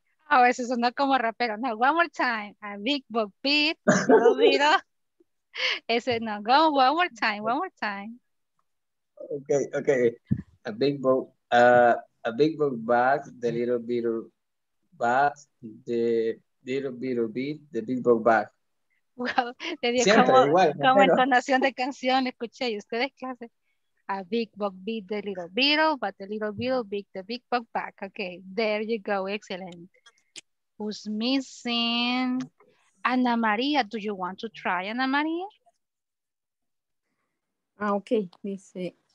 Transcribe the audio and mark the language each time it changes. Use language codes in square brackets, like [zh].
[en] Oh, [es] eso sonó como rapero. [en] No, one more time. A big bug beat, the little beetle. [es] Ese, no, [en] go one more time. Okay. A big bug bat, the little beetle bat, the little beetle beat, the big bug bat. [es] Wow, le dio como entonación de canción, escuché, y ustedes clase. [en] A big bug beat the little beetle, but the little beetle beat the big bug back. Okay, there you go, excellent. Who's missing? Ana Maria, do you want to try, Ana Maria? [es] Okay, dice.